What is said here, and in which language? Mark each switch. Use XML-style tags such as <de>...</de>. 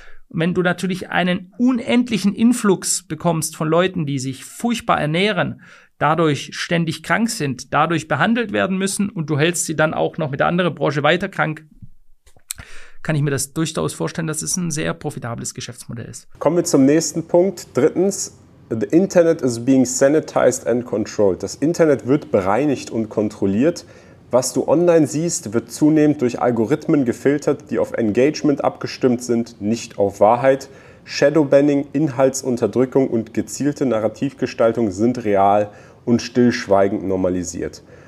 <de>Wenn du natürlich einen unendlichen Influx bekommst von Leuten, die sich furchtbar ernähren, dadurch ständig krank sind, dadurch behandelt werden müssen und du hältst sie dann auch noch mit der anderen Branche weiter krank, kann ich mir das durchaus vorstellen, dass es ein sehr profitables Geschäftsmodell ist. Kommen wir zum nächsten Punkt. Drittens,</de> <en>the Internet is being sanitized and controlled.</en> <de>Das Internet wird bereinigt und kontrolliert. Was du online siehst, wird zunehmend durch Algorithmen gefiltert, die auf Engagement abgestimmt sind, nicht auf Wahrheit. Shadowbanning, Inhaltsunterdrückung und gezielte Narrativgestaltung sind real und stillschweigend normalisiert.</de>